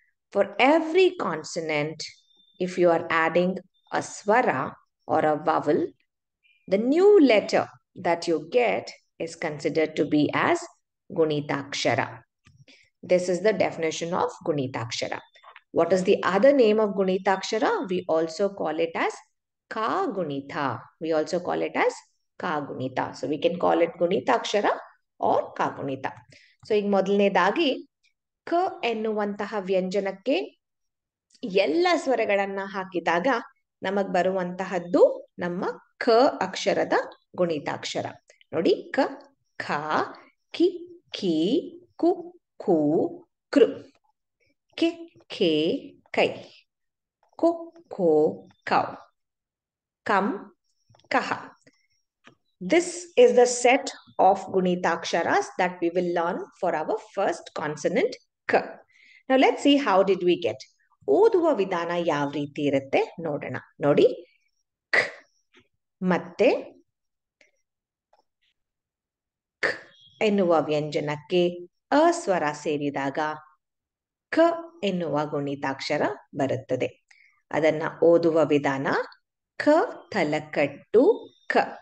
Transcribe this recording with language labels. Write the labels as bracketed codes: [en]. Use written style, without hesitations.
[en] For every consonant, if you are adding a swara or a vowel, the new letter that you get is considered to be as gunitakshara. This is the definition of gunitakshara. What is the other name of gunitakshara? We also call it as kagunitha. We also call it as kagunitha. So we can call it gunitakshara or kagunitha. [kn] So ig modalne dagi ಕ ಎನ್ನುವಂತಹ ವ್ಯಂಜನಕ್ಕೆ ಎಲ್ಲ ಸ್ವರಗಳನ್ನ ಹಾಕಿದಾಗ ನಮಗ್ ಬರುವಂತಹದ್ದು ನಮ್ಮ ಕ ಅಕ್ಷರದ ಗುಣಿತಾಕ್ಷರ. ನೋಡಿ, ಕ ಖ ಕಿ ಕಿ ಕು ಕು ಕೃ ಕೆ ಕೆ ಕೈ ಕೊ ಕೋ ಕೌ ಕಂ ಕಹ. [en] This is the set of gunitaksharas that we will learn for our first consonant k. Now let's see how did we get. [kn] ಓದುವ ವಿಧಾನ ಯಾವ ರೀತಿ ಇರುತ್ತೆ ನೋಡೋಣ. ನೋಡಿ, ಕ್ ಮತ್ತೆ ಕ್ ಎನ್ನುವ ವ್ಯಂಜನಕ್ಕೆ ಅಸ್ವರ ಸೇರಿದಾಗ ಕ ಎನ್ನುವ ಗುಣಿತಾಕ್ಷರ ಬರುತ್ತದೆ. ಅದನ್ನ ಓದುವ ವಿಧಾನ ಕ ತಲಕಟ್ಟು ಕ.